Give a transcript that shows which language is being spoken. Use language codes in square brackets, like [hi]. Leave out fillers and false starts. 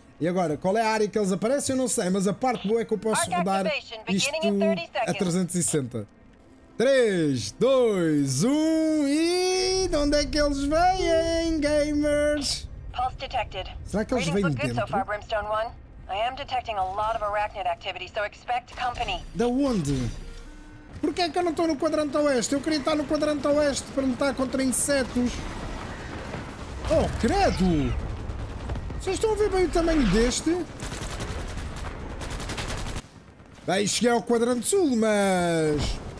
[pt] E agora, qual é a área que eles aparecem? Eu não sei, mas a parte boa é que eu posso rodar isto a 360. 3, 2, 1 e... De onde é que eles vêm, gamers? [en] Pulse detected. [pt] Será que eles vêm dentro? [en] Readings look good so far, Brimstone 1. I am detecting a lot of arachnid activity, so expect company. [pt] Da onde? Porquê que eu não estou no quadrante oeste? Eu queria estar no quadrante oeste para lutar contra insetos. Oh, credo! Vocês estão a ver bem o tamanho deste? Bem, cheguei ao quadrante sul, mas...